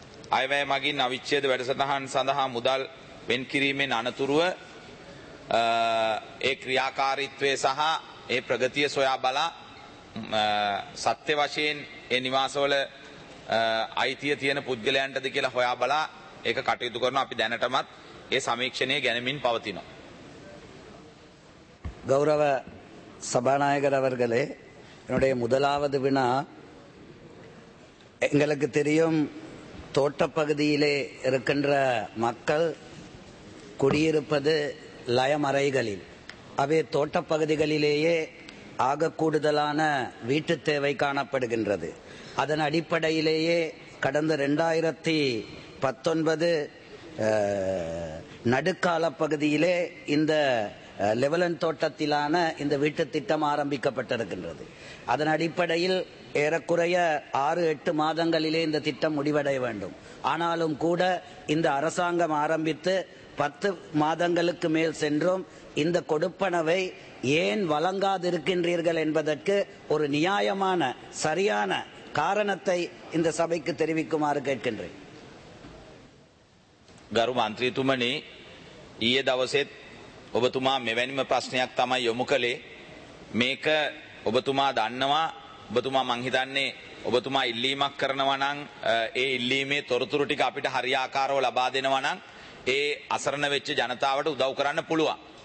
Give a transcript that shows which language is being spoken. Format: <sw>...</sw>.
<si>අයවැය මගින් අවිච්ඡේද වැඩසටහන් සඳහා මුදල් වෙන් කිරීමෙන් අනතුරුව ඒ ක්‍රියාකාරීත්වය සහ ඒ ප්‍රගතිය සොයා බලා සත්‍ය වශයෙන් ඒ නිවාසවල අයිතිය තියෙන පුද්ගලයන්ටද කියලා හොයා බලා ඒක කටයුතු කරනවා. අපි දැනටමත් ඒ සමීක්ෂණය ගැනමින් පවතිනවා.</si> <ta>ගෞරව சபாநாயகர் அவர்களே, என்னுடைய முதலாவது வினா, எங்களுக்கு தெரியும் தோட்டப்பகுதியிலே இருக்கின்ற மக்கள் குடியிருப்பது லயமறைகளில். அவை தோட்டப்பகுதிகளிலேயே ஆக கூடுதலான வீட்டு தேவை காணப்படுகின்றது. அதன் அடிப்படையிலேயே கடந்த 2019 நடுக்கால பகுதியிலே இந்த லெவலன் தோட்டத்திலான இந்த வீட்டு திட்டம் ஆரம்பிக்கப்பட்டிருக்கின்றது. அதன் அடிப்படையில் ஏறக்குறைய 6-8 மாதங்களிலே இந்த திட்டம் முடிவடைய வேண்டும். ஆனாலும் கூட இந்த அரசாங்கம் ஆரம்பித்து 10 மாதங்களுக்கு மேல் சென்றும் இந்த கொடுப்பனவை ஏன் வழங்காதிருக்கின்றீர்கள் என்பதற்கு ஒரு நியாயமான சரியான காரணத்தை இந்த சபைக்கு தெரிவிக்குமாறு கேட்கின்றேன்.</ta> <si>கரு மந்திரி துமணி, ඊයේ දවසේ ඔබතුමා මෙවැනිම ප්‍රශ්නයක් තමයි යොමු කළේ. මේක ඔබතුමා දන්නවා. ඔබතුමා මං හිතන්නේ ඔබතුමා ඉල්ලීමක් කරනවා නම් ඒ ඉල්ලීමේ තොරතුරු ටික අපිට හරියාකාරව ලබා දෙනවා නම් ඒ අසරණ වෙච්ච ජනතාවට උදව් කරන්න පුළුවන්.</si>